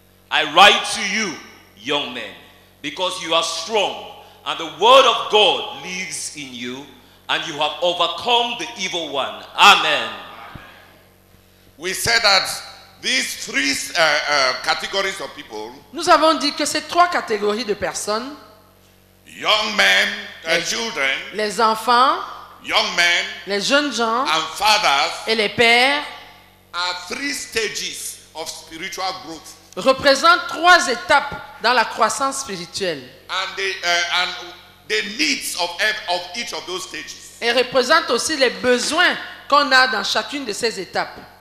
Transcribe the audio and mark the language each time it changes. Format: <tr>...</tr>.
<en>I write to you, young men, because you are strong and the word of God lives in you and you have overcome the evil one. Amen. We said that these three categories of people.</en> <fr>Nous avons dit que ces trois catégories de personnes.</fr> <en>Young men, children.</en> <fr>Les enfants.</fr> <en>Young men,</en> <fr>les jeunes gens</fr> <en>and fathers,</en> <fr>et les pères</fr> <en>are three stages of spiritual growth.</en> <fr>Représentent trois étapes dans la croissance spirituelle</fr> <en>and the needs of each of those stages.</en> <fr>Et représentent aussi les besoins qu'on a dans chacune de ces étapes.</fr>